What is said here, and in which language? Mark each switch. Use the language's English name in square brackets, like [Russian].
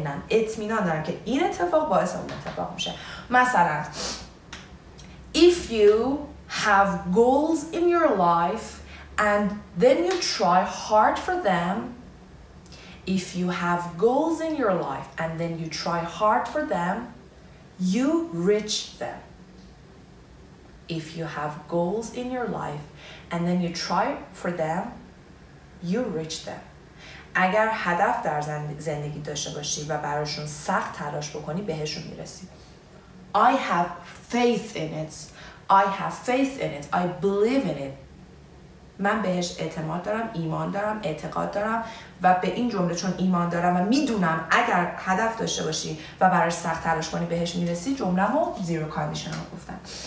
[Persian] اطمینان دارم که این اتفاق باعث اون اتفاق میشه. [English] مثلا If you have goals in your life and then you try hard for them, if you have goals in your life and then you try hard for them, you reach them. If you have goals in your life and then you try for them, you reach them. [Persian] اگر هدف در زندگی داشته باشی و براشون سخت تلاش بکنی بهشون میرسی. [English] I have faith in it. I have faith in it. I believe in it. [Persian] من بهش اعتماد دارم، ایمان دارم، اعتقاد دارم و به این جمله چون ایمان دارم و میدونم اگر هدف داشته باشی و براش سخت تلاش کنی بهش میرسی، جمله‌مو zero conditional گفتم.